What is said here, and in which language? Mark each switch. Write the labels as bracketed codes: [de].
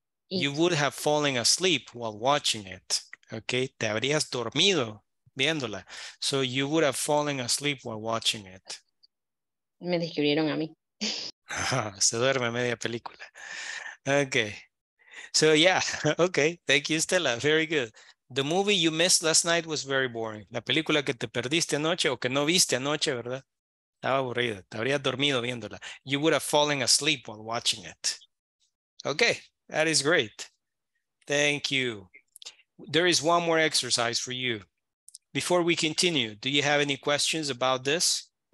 [en] You would have fallen asleep while watching it. Okay, [es] te habrías dormido viéndola. [en] So you would have fallen asleep while watching it. [es] Me describieron a mí. Se duerme media película. [en] Okay. So yeah, okay. Thank you, Stella. Very good. The movie you missed last night was very boring. [es] La película que te perdiste anoche o que no viste anoche, ¿verdad? Estaba aburrida. Te habrías dormido viéndola. [en] You would have fallen asleep while watching it. Okay, that is great. Thank you. There is one more exercise for you. Before we continue, do you have any questions about this?